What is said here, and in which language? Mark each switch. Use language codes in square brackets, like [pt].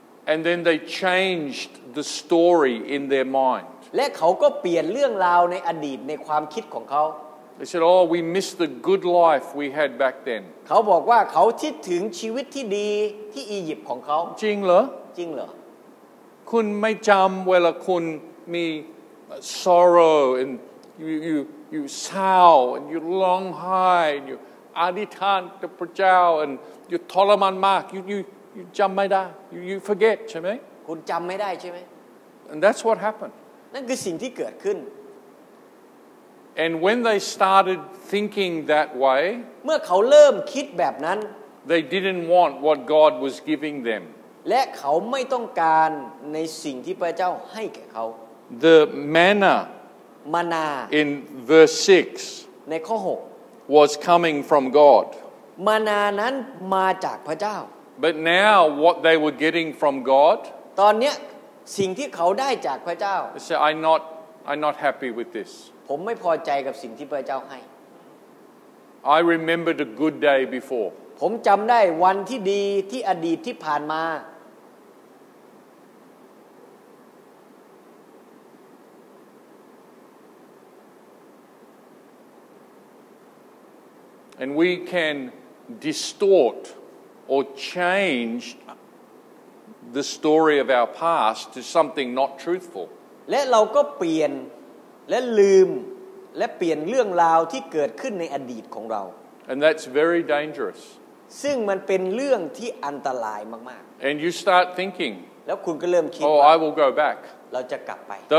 [en] And then they changed the story in their mind [th] และเขาก็เปลี่ยนเรื่องราวในอดีตในความคิดของเขา [en] They said, "Oh, we missed the good life we had back then." [th] เขาบอกว่าเขาคิดถึงชีวิตที่ดีที่อียิปต์ของเขา จริงเหรอ จริงเหรอ คุณไม่จำเวลาคุณมี sorrow and you sorrow and you long high and you aditan to prajao and you toleman mark you จำไม่ได้ you forget ใช่ไหม คุณจำไม่ได้ใช่ไหม [en] and that's what happened [th] นั่นคือสิ่งที่เกิดขึ้น [en] And when they started thinking that way, [th] เมื่อเขาเริ่มคิดแบบนั้น [en] they didn't want what God was giving them. [th] และเขาไม่ต้องการในสิ่งที่พระเจ้าให้แก่เขา [en] The manna, [th] มานา [en] in verse 6, [th] ในข้อ6 [en] was coming from God. [th] มานานั้นมาจากพระเจ้า [en] But now what they were getting from God, [th] ตอนนี้สิ่งที่เขาได้จากพระเจ้า [en] so I'm not happy with this. [th] ผมไม่พอใจกับสิ่งที่พระเจ้าให้ [en] I remembered a good day before [th] ผมจำได้วันที่ดีที่อดีตที่ผ่านมา [en] And we can distort or change the story of our past to something not truthful [th] และเราก็เปลี่ยนและลืมและเปลี่ยนเรื่องราวที่เกิดขึ้นในอดีตของเรา [en] And that's very dangerous [th] ซึ่งมันเป็นเรื่องที่อันตรายมาก [en] ๆ And you start thinking [th] แล้วคุณก็เริ่มคิด [en] Oh I will go back [th] เราจะกลับไป